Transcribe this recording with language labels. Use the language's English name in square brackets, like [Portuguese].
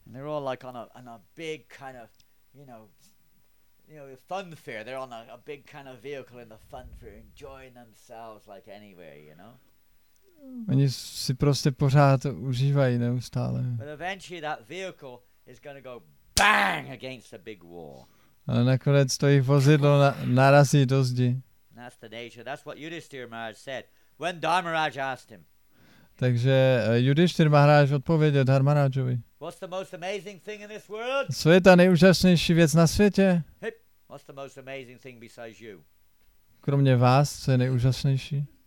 [English] They're all like on a big kind of, you know, fun fair. They're on a big kind of vehicle in the fun fair, enjoying themselves like anywhere, you know. [Czech] Oni si prostě pořád užívají neustále. [English] But eventually that vehicle is going to go bang against a big wall. [Czech] Ale nakonec to jich vozidlo narazí do zdi. [English] That's the nature. That's what Yudhishthira Maharaj said when Dharmaraj asked him. [Czech] Takže Yudhishthir Maharaj odpověděl Dharmarajovi. [English] What's the most amazing thing in this world? [Czech] Co je ta nejúžasnější věc na světě? [English] Hip. What's the most amazing thing besides you? [Czech] Kromě vás, co je nejúžasnější?